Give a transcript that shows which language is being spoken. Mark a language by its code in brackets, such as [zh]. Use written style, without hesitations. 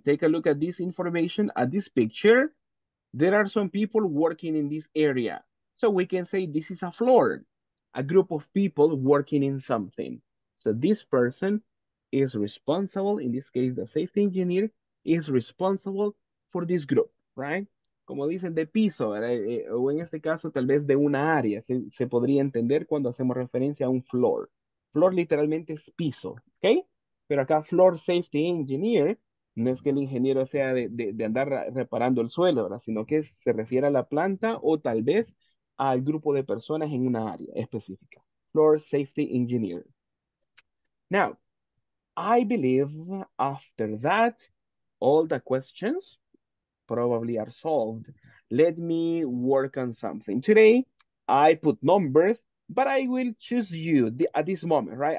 [en] Take a look at this information, at this picture. There are some people working in this area. So we can say this is a floor, a group of people working in something. So this person is responsible, in this case, the safety engineer is responsible for this group, right? [es] Como dicen, de piso, o en este caso, tal vez de una área. Se podría entender cuando hacemos referencia a un floor. Floor literalmente es piso, ¿ok? Pero acá floor safety engineer, no es que el ingeniero sea de andar reparando el suelo, ¿verdad? Sino que se refiere a la planta o tal vez al grupo de personas en una área específica. [en] Floor safety engineer. Now, I believe after that, all the questions probably are solved. Let me work on something. Today, I put numbers, but I will choose you at this moment, right?